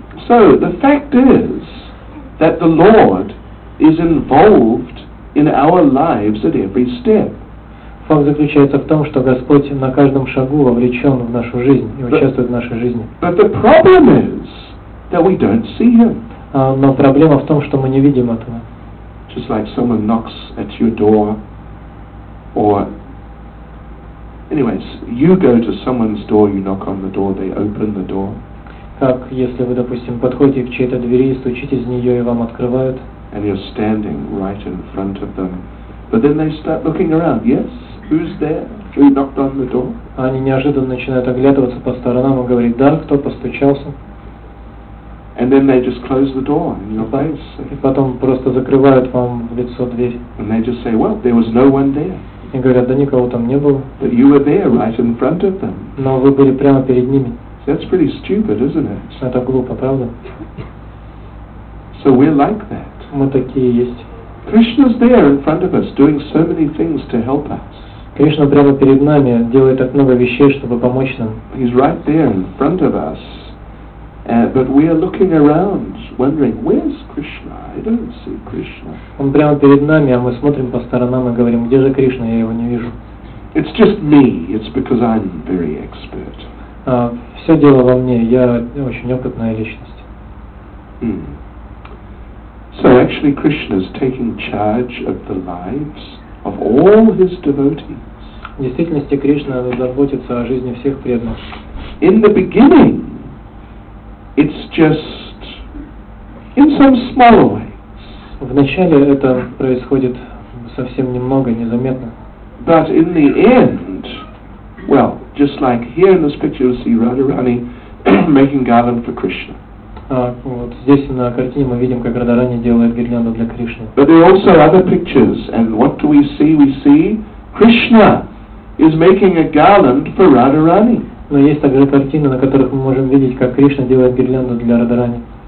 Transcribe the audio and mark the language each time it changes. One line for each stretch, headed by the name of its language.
English: So the fact is that the Lord is involved in our lives at every step.
Russian: Факт заключается в том, что Господь на каждом шагу вовлечен в нашу жизнь и участвует в нашей жизни.
English: But the problem is that we don't see him.
Russian: Но проблема в том, что мы не видим этого.
English: Just like someone knocks at your door, or anyways, you go to someone's door, you knock on the door, they open the door.
Russian: Как если вы, допустим, подходите к чьей-то двери и стучите в нее, и вам открывают.
English: And you're standing right in front of them, but then they start looking around. Yes. Who's there? Who knocked on the door?
Russian: Они неожиданно начинают оглядываться по сторонам и говорить, да, кто постучался?
English: And then they just close the door in your face.
Russian: И потом просто закрывают вам в лицо дверь.
English: And they just say, well, there was no one there.
Russian: И говорят, да никого там не было.
English: But you were there, right in front of them.
Russian: Но вы были прямо перед ними.
English: That's pretty stupid, isn't it?
Russian: Это глупо, правда?
English: So we're like that.
Russian: Мы такие есть.
English: Krishna's there in front of us, doing so many things to help us.
Russian: Кришна прямо перед нами делает так много вещей, чтобы помочь нам.
English: He's right there in front of us, but we are looking around, wondering, where's Krishna? I don't see Krishna.
Russian: Он прямо перед нами, а мы смотрим по сторонам и говорим, где же Кришна? Я его не вижу.
English: It's just me. It's because I'm very expert.
Russian: Все дело во мне. Я очень опытная личность.
English: So actually, Krishna is taking charge of the lives of all his devotees.
Russian: В действительности Кришна заботится о жизни всех преданных.
English: In the beginning, it's just in some small ways.
Russian: Вначале это происходит совсем немного, незаметно.
English: But in the end, well, just like here in this picture, you see Radharani making garland for Krishna.
Russian: Вот здесь на картине мы видим, как Радарани делает гирлянду для Кришны.
English: But there are also other pictures, and what do we see? We see Krishna is making a garland for Radharani.
Russian: Но есть также картины, на которых мы можем видеть, как Кришна делает гирлянду для Радарани.